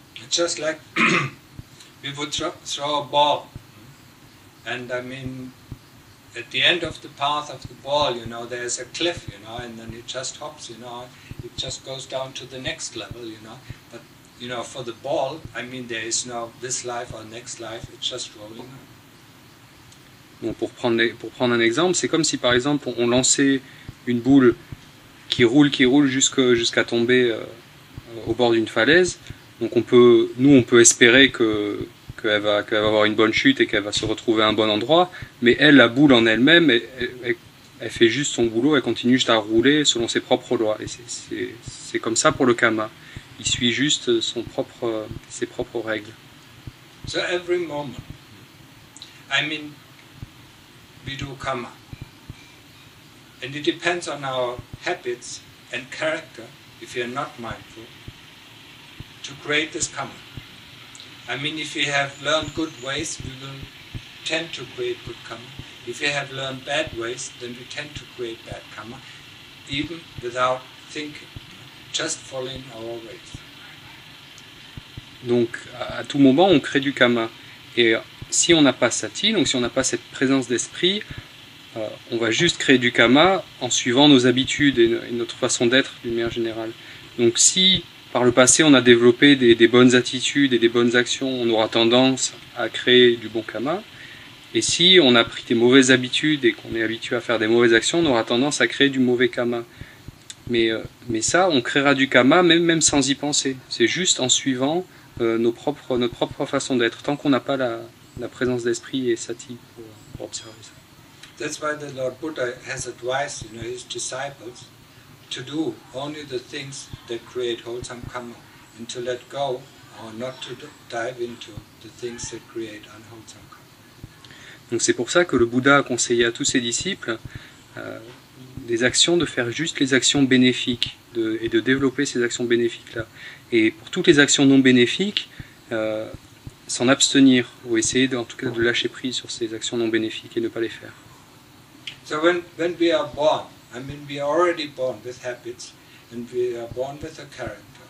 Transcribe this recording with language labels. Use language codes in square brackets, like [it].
[en] Just like we would throw a ball, and I mean, at the end of the path of the ball, you know, there's a cliff, you know, and then it just hops, you know, it just goes down to the next level, you know. But, you know, for the ball, I mean, there is no this life or next life, it's just rolling. [fr] Bon, pour prendre un exemple, c'est comme si, par exemple, on lançait une boule qui roule jusqu'à tomber au bord d'une falaise. Donc on peut espérer qu'elle va avoir une bonne chute et qu'elle va se retrouver à un bon endroit, mais elle, la boule en elle-même, elle fait juste son boulot, elle continue juste à rouler selon ses propres lois. Et c'est comme ça pour le kamma. Il suit juste ses propres règles. [en] So every moment, I mean, we do kamma. And it depends on our habits and character, if you are not mindful, to create this kamma. I mean, if we have learned good ways, we will tend to create good karma. If we have learned bad ways, then we tend to create bad karma, even without thinking, just following our ways. [fr] Donc, à tout moment, on crée du karma. Et si on n'a pas sati, donc si on n'a pas cette présence d'esprit, on va juste créer du karma en suivant nos habitudes et notre façon d'être, d'une manière générale. Donc, si par le passé, on a développé des bonnes attitudes et des bonnes actions, on aura tendance à créer du bon kamma. Et si on a pris des mauvaises habitudes et qu'on est habitué à faire des mauvaises actions, on aura tendance à créer du mauvais kamma. Mais ça, on créera du kamma même sans y penser. C'est juste en suivant notre propre façon d'être, tant qu'on n'a pas la présence d'esprit et sati pour observer ça. [en] That's why the Lord Buddha has advised, you know, his disciples to do only the things that create wholesome karma, and to let go, or not to dive into the things that create unwholesome karma. [fr] Donc c'est pour ça que le Bouddha a conseillé à tous ses disciples des actions, de faire juste les actions bénéfiques, et de développer ces actions bénéfiques-là. Et pour toutes les actions non bénéfiques, s'en abstenir, ou essayer en tout cas de lâcher prise sur ces actions non bénéfiques et ne pas les faire. [en] So when we are born, I mean, we are already born with habits, and we are born with a character.